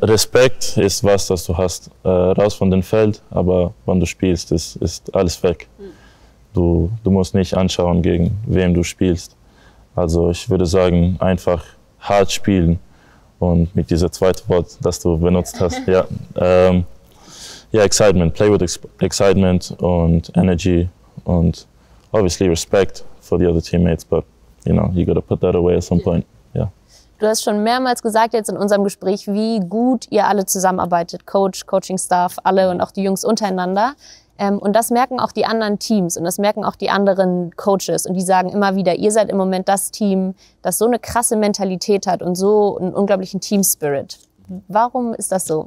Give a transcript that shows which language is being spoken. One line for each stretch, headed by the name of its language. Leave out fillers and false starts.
German: Respekt ist was, das du hast. Raus von dem Feld, aber wenn du spielst, ist alles weg. Du musst nicht anschauen, gegen wen du spielst. Also ich würde sagen, einfach hart spielen und mit diesem zweiten Wort, das du benutzt hast.
English: Ja, Excitement, play with Excitement und Energy und obviously Respect for the other teammates, but you know, you gotta put that away at some point. Yeah.
German: Du hast schon mehrmals gesagt jetzt in unserem Gespräch, wie gut ihr alle zusammenarbeitet, Coach, Coaching Staff, alle und auch die Jungs untereinander. Und das merken auch die anderen Teams und das merken auch die anderen Coaches. Und die sagen immer wieder, ihr seid im Moment das Team, das so eine krasse Mentalität hat und so einen unglaublichen Team-Spirit. Warum ist das so?